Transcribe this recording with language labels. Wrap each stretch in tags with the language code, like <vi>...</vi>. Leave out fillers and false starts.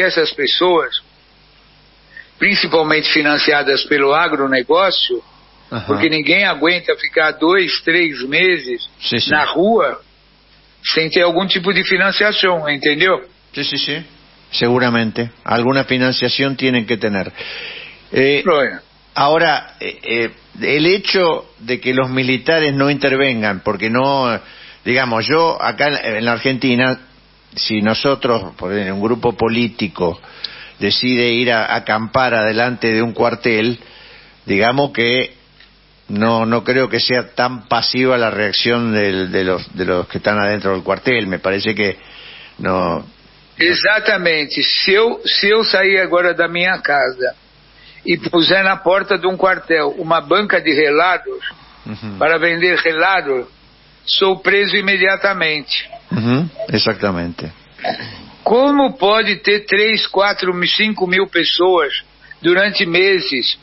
<pt>essas pessoas, principalmente financiadas pelo agronegócio, uhum, porque ninguém aguenta ficar 2-3 meses na rua sem ter algum tipo de financiação, entendeu? Sim. Seguramente. Alguma financiação têm que ter.</pt> <es>Ahora, el hecho de que los militares no intervengan, porque no, digamos, yo acá en la Argentina, si nosotros, por ejemplo, un grupo político decide ir a acampar adelante de un cuartel, digamos que no creo que sea tan pasiva la reacción de los que están adentro del cuartel, me parece que no. Exactamente, si yo salí ahora de mi casa</es> <pt>e puser na porta de um quartel uma banca de relados, uhum, para vender relados, sou preso imediatamente. Uhum. Exatamente. Como pode ter 3, 4, 5 mil pessoas durante meses,</pt>